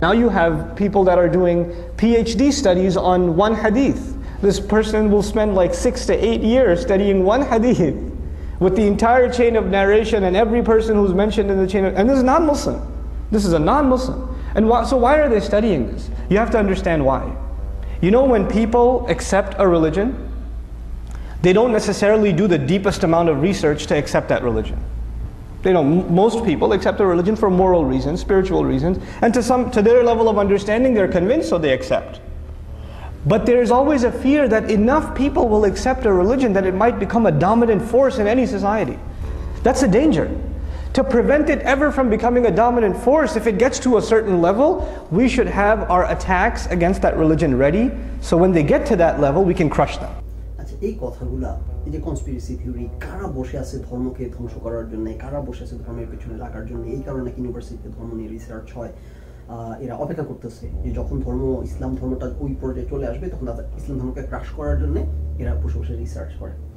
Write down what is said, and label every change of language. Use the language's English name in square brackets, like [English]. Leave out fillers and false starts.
[English] Now you have people that are doing PhD studies on one hadith, this person will spend like 6 to 8 years studying one hadith with the entire chain of narration and every person who is mentioned in the chain, and this is not Muslim, this is a not Muslim, and why, so why are they studying this, you have to understand why. You know, when people accept a religion, they don't necessarily do the deepest amount of research to accept that religion. They know, most people accept a religion for moral reasons, spiritual reasons, and to their level of understanding, they're convinced, so they accept. But there is always a fear that enough people will accept a religion that it might become a dominant force in any society. That's a danger. To prevent it ever from becoming a dominant force, if it gets to a certain level, we should have our attacks against that religion ready, so when they get to that level, we can crush them. [Bangla] এই কথাগুলা, এই যে conspiracy theory, কারা বসে আছে ধর্মকে ধ্বংস করার জন্য, কারা বসে আছে ধর্মের পিছনে লাগার জন্য, এই কারণে ইউনিভার্সিটিতে ধর্ম নিয়ে রিসার্চ হয়, এরা অপেক্ষা করতেছে যে যখন ধর্ম, ইসলাম ধর্মটা ওই পর্যায়ে চলে আসবে, তখন তাদের ইসলাম ধর্মকে ক্রাশ করার জন্য এরা বসে বসে রিসার্চ করে।